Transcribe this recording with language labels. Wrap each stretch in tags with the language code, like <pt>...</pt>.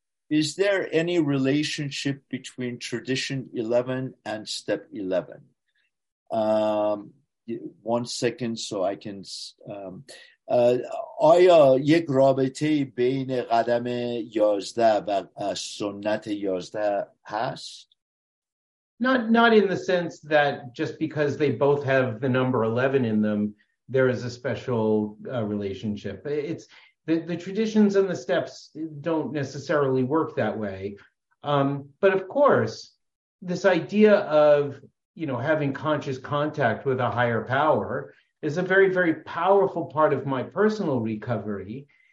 <en>Is there any relationship between tradition 11 and step 11?</en> <fa>آیا یک رابطه بین قدم 11 و سنت 11 هست؟</fa> <en>Not in the sense that just because they both have the number 11 in them, there is a special relationship. The traditions and the steps don't necessarily work that way. But of course, this idea of, you know, having conscious contact with a higher power is a very, very powerful part of my personal recovery.</en>